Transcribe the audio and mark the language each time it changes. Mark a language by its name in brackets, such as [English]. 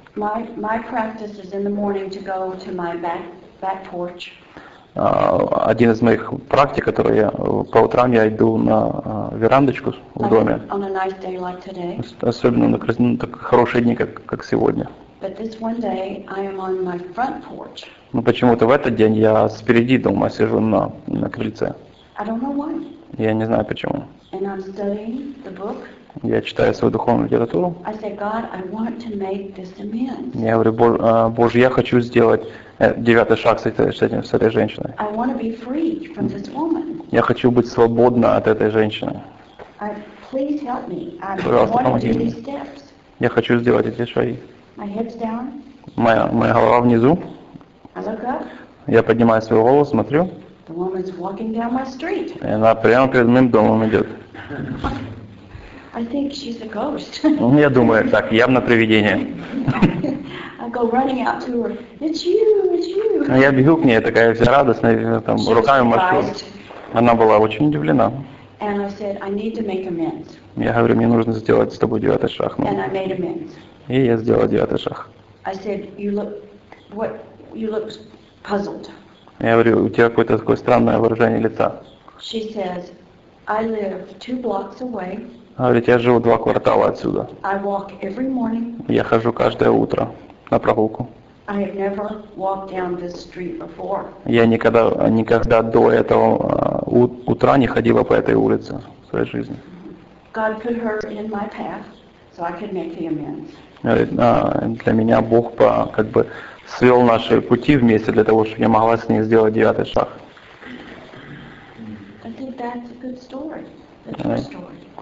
[English] My practice is in the morning to go to my back porch. [Russian] Один из моих практик, который я по утрам я иду на верандочку в доме. [English] On a nice day like today. [Russian] Особенно на так хорошие дни, как сегодня. [English] But this one day I am on my front porch. [Russian] Но почему-то в этот день я спереди дома сижу на крыльце. [English] I don't know why. [Russian] Я не знаю почему. [English] And I'm studying the book. [Russian] Я читаю свою духовную литературу. [English] I say, God, I want to make this amends. [Russian] Я говорю, Боже, я хочу сделать девятый шаг с этой женщиной. [English] I want to be free from this woman. [Russian] Я хочу быть свободна от этой женщины. [English] Please help me. [Russian] Пожалуйста, [English] I [Russian] помоги [English] want [Russian] мне. [English] These steps. [Russian] Я хочу сделать эти шаги. [English] My head's down. [Russian] Моя голова внизу. [English] I look up. [Russian] Я поднимаю свою голову, смотрю. [English] The woman's walking down my street. [Russian] И она прямо перед моим домом идет. [English] I think she's a ghost. [Russian] Я думаю, так, явно привидение. [English] I go running out to her. It's you. [Russian] Я бегу к ней, такая вся радостная, там, [English] she [Russian] руками машу. Она была очень удивлена. [English] And I said, I need to make amends. [Russian] Я говорю, мне нужно сделать с тобой девятый шаг. [English] And I made amends. [Russian] И я сделала девятый шаг. [English] I said, you look puzzled. [Russian] Я говорю, у тебя какое-то такое странное выражение лица. [English] She says, I live two blocks away. [Russian] Говорит, я живу два квартала отсюда. [English] I walk every morning. [Russian] Я хожу каждое утро на прогулку. [English] I have never walked down this street before. [Russian] Я никогда до этого утра не ходила по этой улице в своей жизни. [English] God put her in my path, so I could make the amends. [Russian] Говорит, для меня Бог как бы свел наши пути вместе для того, чтобы я могла с ней сделать девятый шаг. [English] I think that's a good story. That's a good story.